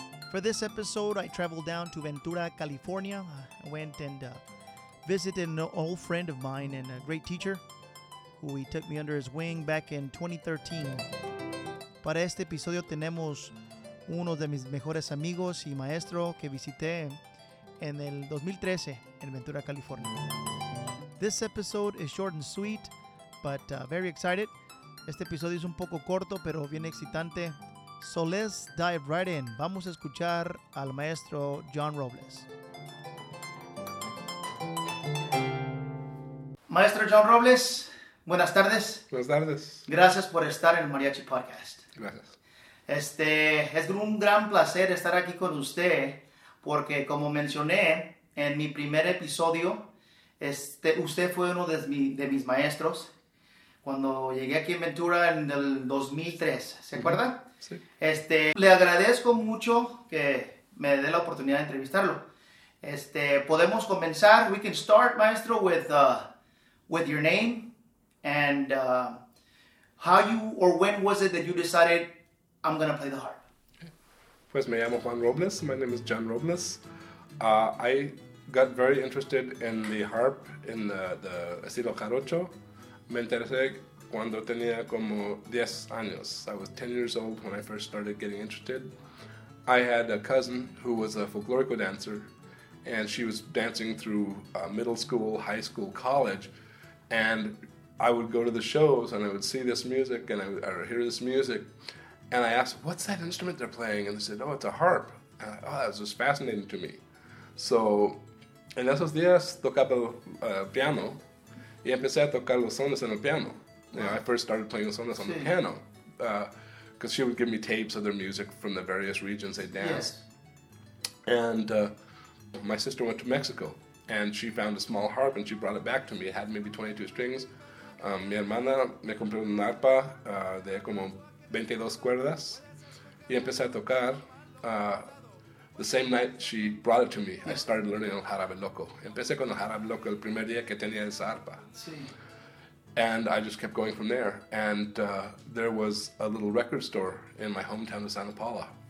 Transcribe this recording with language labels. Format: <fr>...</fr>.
<en>For this episode, I traveled down to Ventura, California. I went and visited an old friend of mine and a great teacher who he took me under his wing back in 2013.</en> <es>Para este episodio tenemos uno de mis mejores amigos y maestro que visité en el 2013 en Ventura, California.</es> <en>This episode is short and sweet, but very excited.</en> <es>Este episodio es un poco corto, pero bien excitante.</es> <en>So let's dive right in.</en> <es>Vamos a escuchar al maestro John Robles. Maestro John Robles, buenas tardes. Buenas tardes. Gracias por estar en el Mariachi Podcast. Gracias. Es un gran placer estar aquí con usted, porque como mencioné en mi primer episodio, usted fue uno de mis maestros cuando llegué aquí en Ventura en el 2003, ¿se acuerda? Sí. Le agradezco mucho que me dé la oportunidad de entrevistarlo. Podemos comenzar.</es> <en>We can start, maestro, with your name and how you or when was it that you decided I'm gonna play the harp.</en> <es>Pues me llamo Juan Robles.</es> <en>My name is John Robles. I got very interested in the harp, in the estilo Jarocho.</en> <es>Me interesé cuando tenía como 10 años.</es> <en>I was 10 years old when I first started getting interested. I had a cousin who was a folklorico dancer, and she was dancing through middle school, high school, college, and I would go to the shows and I would see this music and I would hear this music. And I asked, what's that instrument they're playing? And they said, oh, it's a harp. And I, that was just fascinating to me. So,</en> <es>en esos días, tocaba el piano. Y empecé a tocar los sones en el piano.</es> <en>You know, I first started playing los sones on the piano. Because she would give me tapes of their music from the various regions they danced. Yes. And my sister went to Mexico. And she found a small harp and she brought it back to me. It had maybe 22 strings.</en> <es>Mi hermana me compró un arpa de como 22 cuerdas, y empecé a tocar.</es> <en>The same night she brought it to me, I started learning el jarabe loco.</en> <es>Empecé con el jarabe loco el primer día que tenía esa arpa. Sí.</es> <en>And I just kept going from there. And there was a little record store in my hometown of Santa Paula.</en>